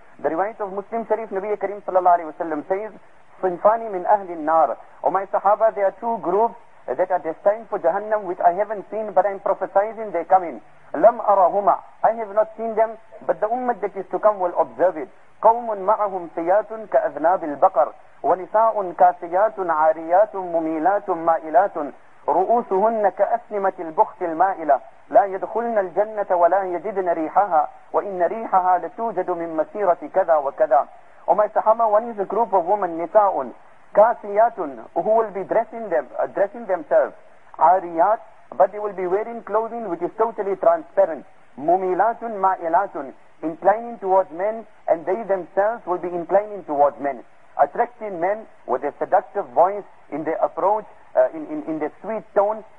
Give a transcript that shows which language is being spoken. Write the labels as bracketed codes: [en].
[en] The riwayat of Muslim Sharif, Nabi Kareem sallallahu alayhi wa sallam says, [ar] صِنْفَانِ مِنْ أَهْلِ النَّارِ. [en] O my Sahaba, there are two groups that are destined for Jahannam, which I haven't seen, but I'm prophesizing they come in. [ar] لَمْ أَرَهُمَا. [en] I have not seen them, but the ummah that is to come will observe it. [ar] قَوْمٌ مَعَهُمْ سِيَاتٌ كَأَذْنَابِ الْبَقَرِ وَنِسَاءٌ كَاسِيَاتٌ عَارِيَاتٌ مُمِيلَاتٌ مَائِلَاتٌ رؤوسهن كأسنمة البخت المائلة لا يدخلن الجنة ولا يجدن ريحها وإن ريحها لتوجد من مسيرة كذا وكذا. [en] Oh my Sahaba, one is a group of women, nisa'un, kasiyatun, who will be dressing themselves, ariyat, but they will be wearing clothing which is totally transparent, mumilatun ma'ilatun, inclining towards men, and they themselves will be inclining towards men, attracting men with a seductive voice in their approach, in their sweet tone,